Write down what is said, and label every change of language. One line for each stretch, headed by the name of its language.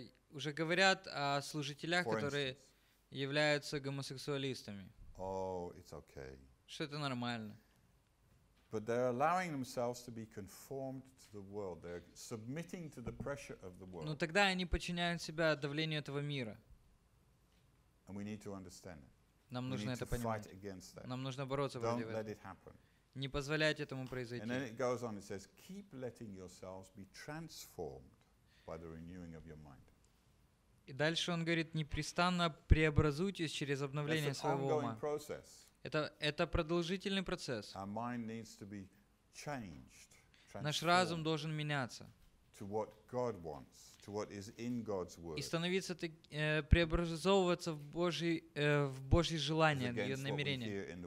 Russian: Уже говорят о служителях, которые являются гомосексуалистами.
English: Oh, it's okay.
Russian: Что это нормально.
English: But they're allowing themselves to be conformed to the world. They're submitting to the pressure of the world.
Russian: Но тогда они подчиняют себя давлению этого мира.
English: And we need to understand it.
Russian: Нам нужно это понимать.
English: Fight against that.
Russian: Нам нужно бороться против этого.
English: Don't let it happen.
Russian: Не позволять этому произойти.
English: And then it goes on, it says, keep letting yourselves be transformed by the renewing of your mind.
Russian: И дальше он говорит, непрестанно преобразуйтесь через обновление своего ума. Это продолжительный процесс.
English: Our mind needs to be changed,
Russian: наш разум должен меняться.
English: To what God wants, to what is in God's word.
Russian: И становиться, преобразовываться в Божьи желания, в Его намерения.